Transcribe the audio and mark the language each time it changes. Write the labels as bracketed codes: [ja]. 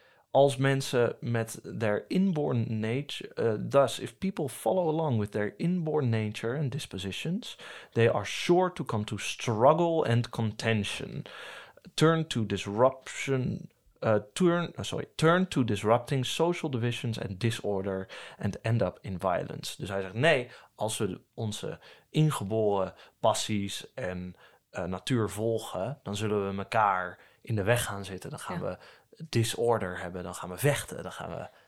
[nl] als mensen met [en] their inborn nature... thus, if people follow along with their inborn nature and dispositions, they are sure to come to struggle and contention. Turn to disrupting social divisions and disorder and end up in violence. [nl] Dus hij zegt, nee, als we onze ingeboren passies en natuur volgen, dan zullen we elkaar in de weg gaan zitten. Dan gaan, ja. we... disorder hebben, dan gaan we vechten. Dan gaan we...